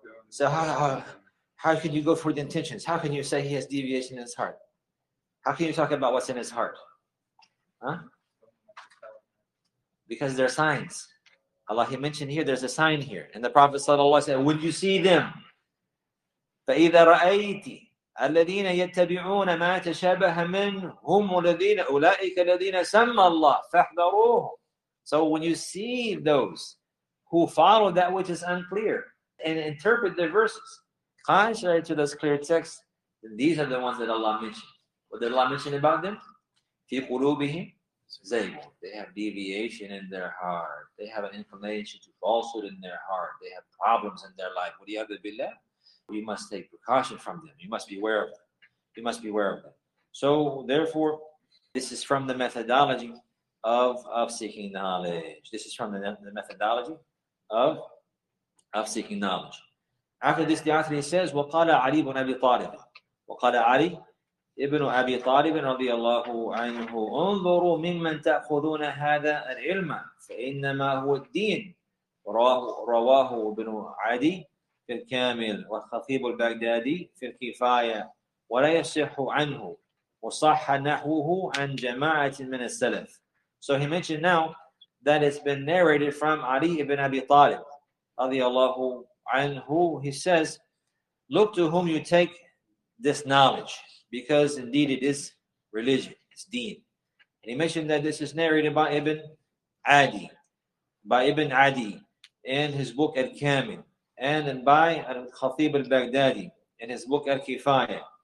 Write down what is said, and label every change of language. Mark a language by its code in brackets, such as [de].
[en] So how can you go for the intentions? How can you say he has deviation in his heart? How can you talk about what's in his heart? Huh? Because they're signs. Allah, he mentioned here, there's a sign here. And the Prophet ﷺ said, when you see them, [ar] فَإِذَا رَأَيْتِ الَّذِينَ يَتَّبِعُونَ مَا تَشَابَهَ مِنْهُمْ وَالَّذِينَ أُولَٰئِكَ الَّذِينَ سَمَّ اللَّهِ فَاحْذَرُوهُمْ. [en] So when you see those who follow that which is unclear and interpret the verses contrary to those clear texts, these are the ones that Allah mentioned. What did Allah mention about them? [ar] فِي قُلُوبِهِمْ زَيْغٌ. [en] They have deviation in their heart. They have an inclination to falsehood in their heart. They have problems in their life. [ar] وَلِيَعْذُ بِاللَّهِ. [en] We must take precaution from them. You must beware of them. You must beware of them. So therefore, this is from the methodology of seeking knowledge. This is from the methodology of seeking knowledge. After this, the author says, [ar] وَقَالَ عَلِي بُنْ أَبِي طَالِبٍ وَقَالَ عَلِي إِبْنُ أَبِي طَالِبٍ رَضِيَ اللَّهُ عَنْهُ أُنظُرُوا مِمَّنْ تَأْخُذُونَ هَذَا الْعِلْمَ فَإِنَّمَا هُوَ الدِّينُ رَوَاهُ إِبْنُ عَدِي في الكامل والخطيب البغدادي في الكفاية ولا يصح عنه وصح نحوه عن جماعة من السلف. [en] So he mentioned now that it's been narrated from Ali ibn Abi Talib [ar] رضي الله عنه. [en] He says, look to whom you take this knowledge, because indeed it is religion, it's deen. And he mentioned that this is narrated by Ibn Adi in his book Al-Kamil, and by Al-Khatib Al-Baghdadi in his book Al-Kifaya,